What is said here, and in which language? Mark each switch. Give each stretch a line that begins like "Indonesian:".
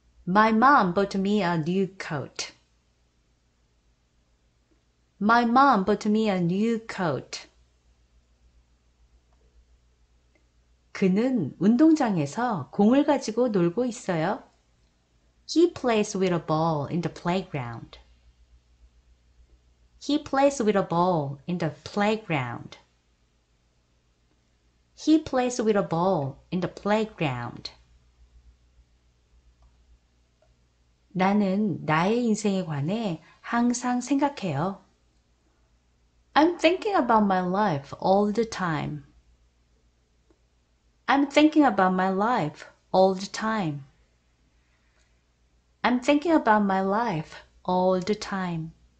English: My mom bought me a new coat. My mom bought me a new coat.
Korean: 그는 운동장에서 공을 가지고 놀고 있어요.
English: He plays with a ball in the playground. He plays with a ball in the playground. He plays with a ball in the playground.
Korean: 나는 나의 인생에 관해 항상 생각해요.
English: I'm thinking about my life all the time. I'm thinking about my life all the time. I'm thinking about my life all the time.